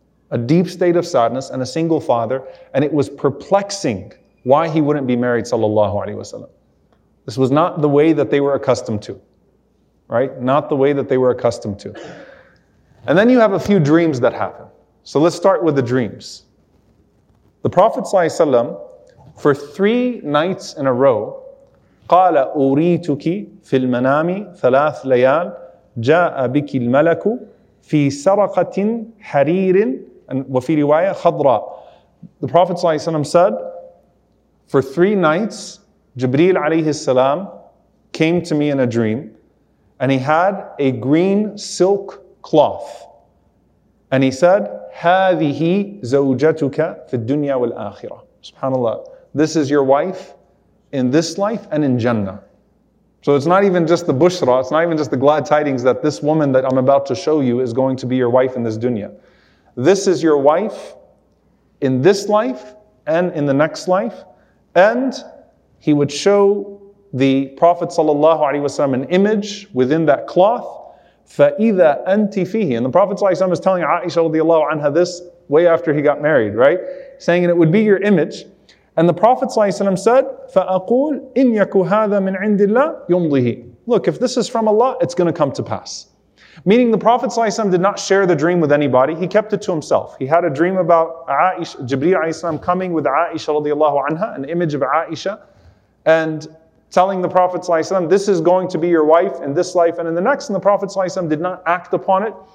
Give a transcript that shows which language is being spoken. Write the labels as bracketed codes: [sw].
[en] A deep state of sadness and a single father. And it was perplexing why he wouldn't be married, sallallahu alayhi wasallam. This was not the way that they were accustomed to. Right? Not the way that they were accustomed to. And then you have a few dreams that happen. So let's start with the dreams. The Prophet sallallahu alayhi wasallam, for 3 nights in a row, [ar] قَالَ أُورِيتُكِ فِي الْمَنَامِ ثَلَاثْ لَيَالٍ جَاءَ بِكِ الْمَلَكُ فِي سَرَقَةٍ حَرِيرٍ وَفِي رِوَايَةٍ خَضْرَى. [en] The Prophet ﷺ said, for 3 nights, Jibreel alayhi salam came to me in a dream, and he had a green silk cloth. And he said, [ar] هَذِهِ زَوْجَتُكَ فِي الدُّنْيَا وَالْآخِرَةِ. SubhanAllah, [en] this is your wife in this life and in Jannah. So it's not even just the bushra, it's not even just the glad tidings that this woman that I'm about to show you is going to be your wife in this dunya. This is your wife in this life and in the next life. And he would show the Prophet sallallahu alaihi wasallam an image within that cloth. [ar] فَإِذَا أَنْتِ فِيهِ. [en] And the Prophet is telling Aisha radiallahu anha this way after he got married, right? Saying it would be your image. And the Prophet said, [ar] فَأَقُولْ إِنْ يَكُ هَذَا مِنْ عِنْدِ اللَّهِ يُمْضِهِ. [en] Look, if this is from Allah, it's going to come to pass. Meaning the Prophet did not share the dream with anybody. He kept it to himself. He had a dream about Aisha, Jibreel alayhi coming with Aisha radiallahu anha, an image of Aisha, and telling the Prophet ﷺ, this is going to be your wife in this life and in the next. And the Prophet ﷺ did not act upon it.